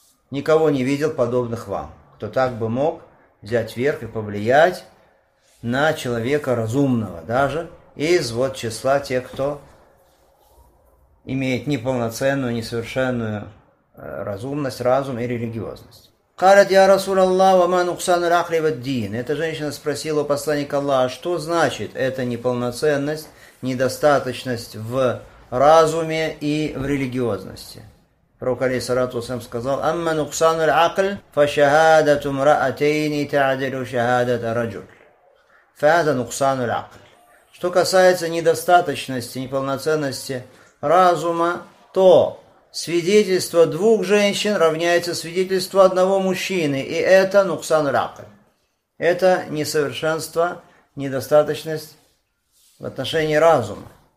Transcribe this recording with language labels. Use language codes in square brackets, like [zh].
[ru] Никого не видел подобных вам, кто так бы мог взять верх и повлиять на человека разумного, даже из вот числа тех, кто имеет неполноценную, несовершенную разумность, разум и религиозность. [ar] قالت يا رسول الله وما نقصان العقل والدين. [ru] Эта женщина спросила у посланника Аллаха, что значит эта неполноценность, недостаточность в разуме и в религиозности. Пророк алейхиссалату вассалям сказал: [ar] أما نقصان العقل فشهادة امرأتين تعدل شهادة رجل. فهذا نقصان العقل. [ru] Что касается недостаточности, неполноценности разума, то свидетельство двух женщин равняется свидетельству одного мужчины, и это [ar] нуксан ракль. [ru] Это несовершенство, недостаточность в отношении разума.